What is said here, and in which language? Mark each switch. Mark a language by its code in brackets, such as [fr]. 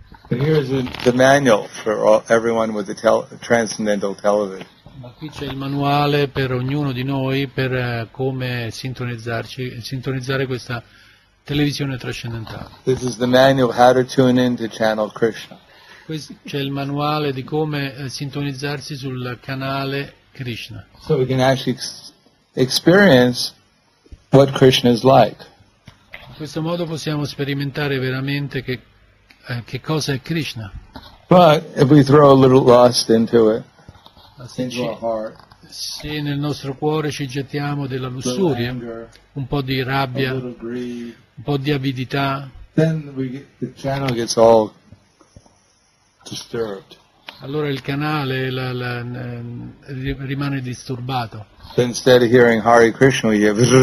[en] And here is the manual for everyone with the transcendental television. [it] Ma qui c'è il manuale per ognuno di noi per come sintonizzare questa televisione trascendentale. [en] This is the manual how to tune in to channel Krishna. [it] Questo c'è il manuale di come sintonizzarsi sul canale Krishna. [en] So we can actually experience what Krishna is like. [it] In questo modo possiamo sperimentare veramente che cosa è Krishna. [en] But if we throw a little lust into it, into our heart, [it] se nel nostro cuore ci gettiamo della lussuria, [en] anger, [it] un po' di rabbia, [en] a little greed, [it] un po' di avidità, [en] then the channel gets all disturbed. [it] Allora il canale rimane disturbato. [en] So instead of hearing Hare Krishna, we hear